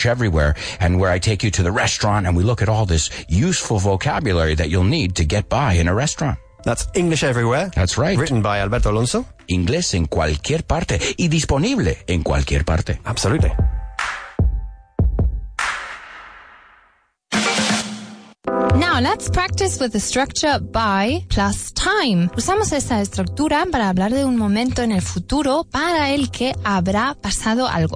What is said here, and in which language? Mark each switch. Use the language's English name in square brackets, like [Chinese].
[English] everywhere, and where I take you to the restaurant, and we look at all this useful vocabulary that you'll need to get by in a restaurant. That's English Everywhere. That's right. Written by Alberto Alonso. [Spanish] Inglés en cualquier parte y disponible en cualquier parte. [English] Absolutely. Now let's practice with the structure by plus time. [Spanish] Usamos esa estructura para hablar de un momento en el futuro para el que habrá pasado algo.